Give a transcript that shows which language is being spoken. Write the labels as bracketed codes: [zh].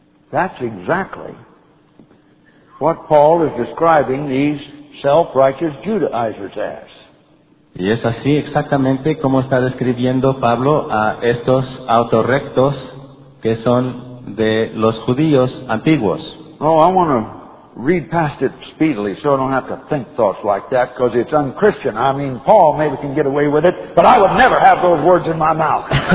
[en] That's exactly what Paul is describing these self-righteous Judaizers as. [es] Y es así exactamente como está describiendo Pablo a estos autorrectos que son de los judíos antiguos. [en] Oh, I want to read past it speedily so I don't have to think thoughts like that because it's unchristian. I mean, Paul maybe can get away with it, but I would never have those words in my mouth.